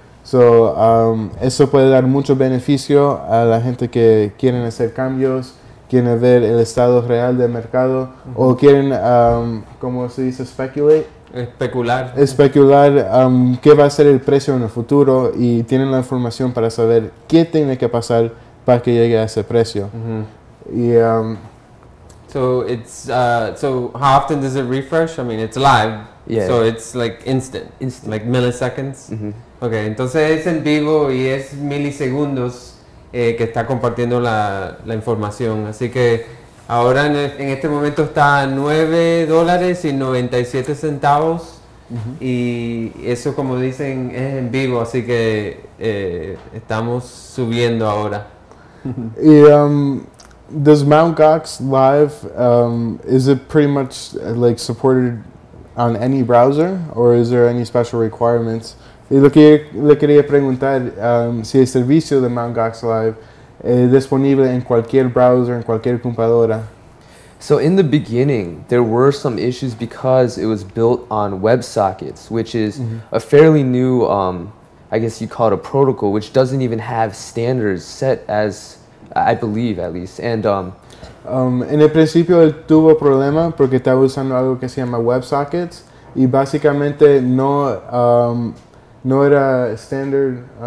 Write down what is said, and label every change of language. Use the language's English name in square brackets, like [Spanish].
[Spanish] So, eso puede dar mucho beneficio a la gente que quieren hacer cambios, quieren ver el estado real del mercado, uh-huh, o quieren, ¿cómo se dice? [English] Speculate. [Spanish] Especular. Especular qué va a ser el precio en el futuro, y tienen la información para saber qué tiene que pasar para que llegue a ese precio. Uh-huh. [English] So how often does it refresh? I mean, it's live. Yeah. So it's like instant. Like milliseconds. Mm-hmm. [Spanish] Okay, entonces es en vivo y es milisegundos que está compartiendo la información. Así que ahora en este momento está $9.97. Mm-hmm. Y eso, como dicen, es en vivo. Así que estamos subiendo ahora. [English] Y does Mt. Gox Live, is it pretty much like supported on any browser, or is there any special requirements? [Spanish] Y lo que le quería preguntar, si el servicio de Mt. Gox Live es disponible en cualquier browser, en cualquier computadora. [English] So in the beginning, there were some issues because it was built on WebSockets, which is, mm-hmm, a fairly new, I guess you call it a protocol, which doesn't even have standards set as, I believe, at least. And [Spanish] en el principio él tuvo problemas porque estaba usando algo que se llama WebSockets, y básicamente no era standard,